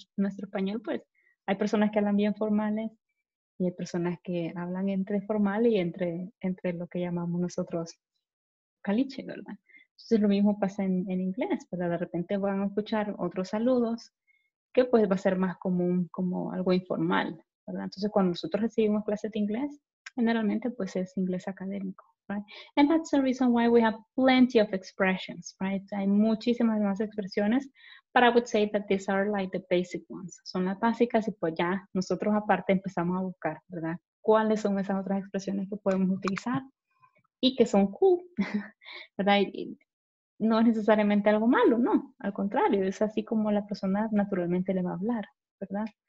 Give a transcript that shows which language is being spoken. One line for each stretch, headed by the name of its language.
Spanish: Nuestro español, pues, hay personas que hablan bien formales. Y hay personas que hablan entre formal y entre lo que llamamos nosotros caliche, ¿verdad? Entonces lo mismo pasa en inglés, pero de repente van a escuchar otros saludos que pues va a ser más común como algo informal, ¿verdad? Entonces cuando nosotros recibimos clases de inglés, generalmente pues es inglés académico, right?
English: And that's the reason why we have plenty of expressions, right?
Spanish: Hay muchísimas más expresiones,
English: but I would say that these are like the basic ones.
Spanish: Son las básicas y pues ya nosotros aparte empezamos a buscar, ¿verdad? ¿Cuáles son esas otras expresiones que podemos utilizar y que son cool, ¿verdad? Y no es necesariamente algo malo, no. Al contrario, es así como la persona naturalmente le va a hablar, ¿verdad?